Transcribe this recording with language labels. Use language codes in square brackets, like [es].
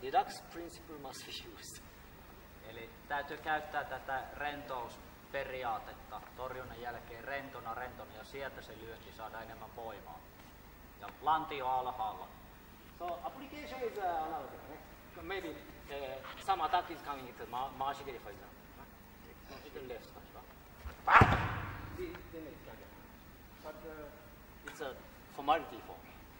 [en] Relax principle must be used. [fi] Eli täytyy käyttää tätä rentousperiaatetta torjunnan jälkeen rentona ja sieltä se lyönti saada enemmän voimaa. Ja lantio alhaalla. [en] So application is allowed, eh? Maybe some attack is coming into the margin, for example. Huh? Yes. Left, right? Then it's like a, but it's a formality for me.